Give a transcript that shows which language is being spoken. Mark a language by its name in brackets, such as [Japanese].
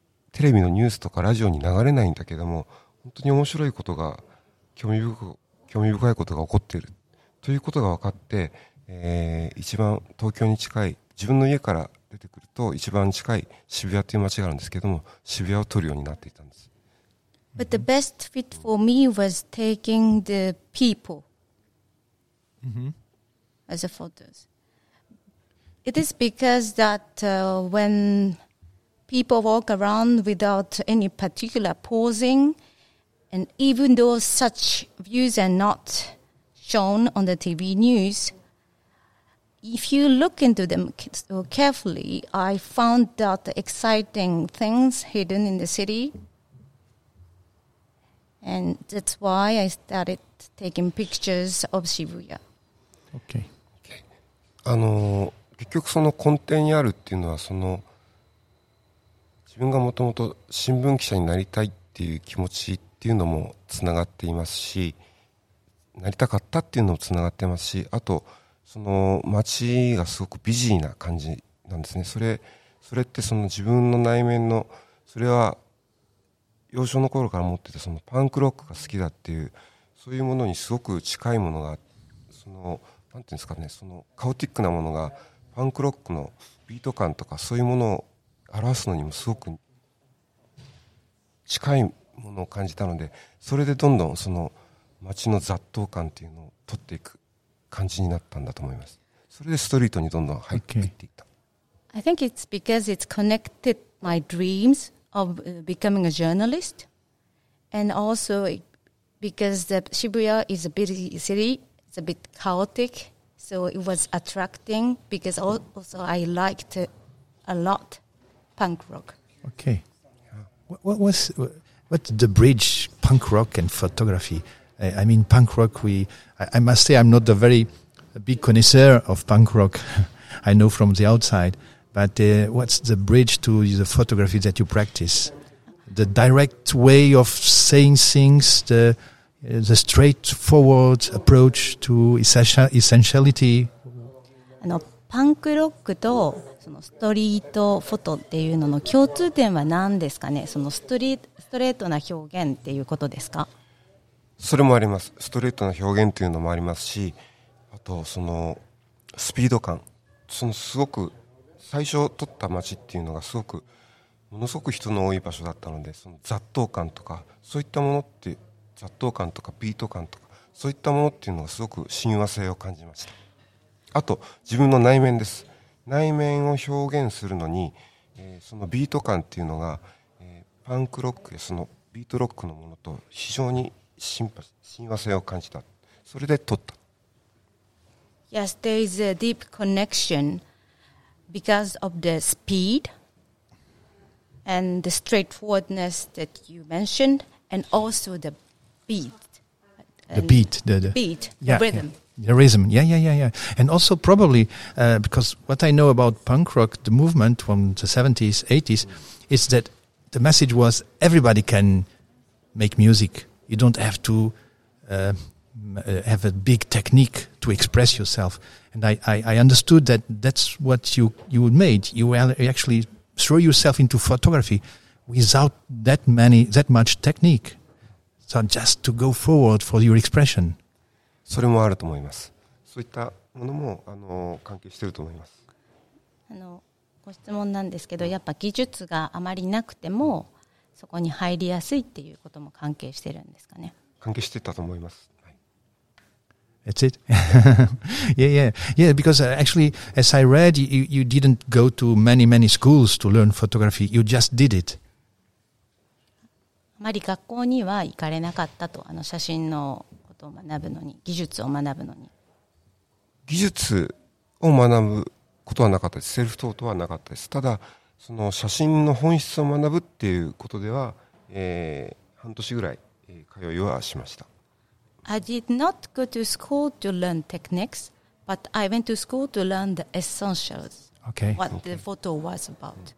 [Japanese] テレビのニュースとかラジオに流れないんだけども本当に面白いことが興味深いことが起こっているということが分かって、一番東京に近い自分の家から出てくると一番近い渋谷という街があるんですけども渋谷を撮るようになっていたんです。 [English] But the best fit for me was taking the people、mm-hmm. as a photos. It is because that、when people walk around without any particular posing and even though such views are not shown on the TV newsIf you look into them carefully, I found that exciting things hidden in the city. And that's why I started taking pictures of Shibuya. Okay. [Japanese] 結局その根底にあるっていうのはその自分がもともと新聞記者になりたいっていう気持ちっていうのもつながっていますし、なりたかったっていうのもつながってますし、あとその街がすごくビジーな感じなんですね。それってその自分の内面のそれは幼少の頃から持ってたそのパンクロックが好きだっていうそういうものにすごく近いものがそのなんていうんですかねそのカオティックなものがパンクロックのビート感とかそういうものを表すのにもすごく近いものを感じたのでそれでどんどんその街の雑踏感っていうのを取っていく感じになったんだと思います。それでストリートにどんどん入っていった。 [English] Okay. I think it's because it's connected my dreams of becoming a journalist and also because the Shibuya is a busy city, it's a bit chaotic, so it was attracting because also I liked a lot punk rock. Okay. What's the bridge punk rock and photography? I mean, punk rock, I must say I'm not a very big connoisseur of punk rock. I know from the outside. But what's the bridge to the photography that you practice? The direct way of saying things, the straightforward approach to essentiality? Punk rock and street photo, what is the common thing? Straight expression, is that what you mean? [Japanese] それもあります。ストレートな表現というのもありますし、あとそのスピード感、そのすごく最初撮った街っていうのがすごくものすごく人の多い場所だったので、その雑踏感とかそういったものって雑踏感とかビート感とかそういったものっていうのがすごく親和性を感じました。あと自分の内面です。内面を表現するのに、そのビート感っていうのが、パンクロックやそのビートロックのものと非常に親和性を感じた。それで撮った。 [English] Yes, there is a deep connection because of the speed and the straightforwardness that you mentioned, and also the beat. The rhythm. Yeah. And also probably because what I know about punk rock, the movement from the 70s, 80s, is that the message was everybody can make music. You don't have to have a big technique to express yourself. And I understood that that's what you made. You actually throw yourself into photography without that much technique. So just to go forward for your expression. [Japanese] それもあると思います。そういったものも関係していると思います。ご質問なんですけど、やっぱ技術があまりなくても、そこに入りやすいっていうことも関係してるんですかね。関係してたと思います。 [English] That's it. yeah. Because actually, as I read, you didn't go to many schools to learn photography. You just did it. [Japanese] あまり学校には行かれなかったと、写真のことを学ぶのに、技術を学ぶのに。技術を学ぶことはなかったです。セルフトートはなかったです。ただ、その写真の本質を学ぶっていうことでは、半年ぐらい、通いはしました。 [English] I did not go to school to learn techniques, but I went to school to learn the essentials. Okay. What the photo was about.